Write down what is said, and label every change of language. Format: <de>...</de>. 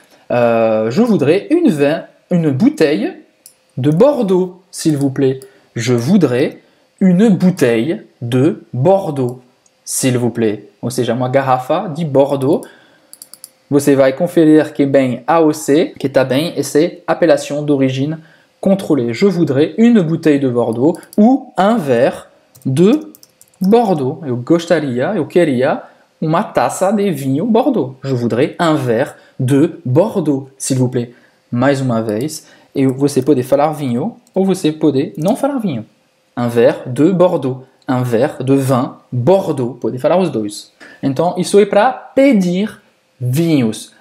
<fr>Je voudrais une bouteille de Bordeaux, s'il vous plaît. Je voudrais une bouteille de Bordeaux, s'il vous plaît.</fr> <pt>Ou seja, uma garrafa de Bordeaux. Você vai conferir que é bem AOC, que está bem, e</pt> <fr>c'est appellation d'origine contrôlée. Je voudrais une bouteille de Bordeaux ou un verre de Bordeaux.</fr> <pt>Eu queria uma taça de vinho Bordeaux.</pt> <fr>Je voudrais un verre de Bordeaux, s'il vous plaît.</fr> <pt>Mais uma vez, e você pode falar vinho ou você pode não falar vinho.</pt> <fr>Un verre de Bordeaux. Un verre de vin Bordeaux.</fr> <pt>Pode falar os dois. Então, isso é para pedir vinhos.</pt>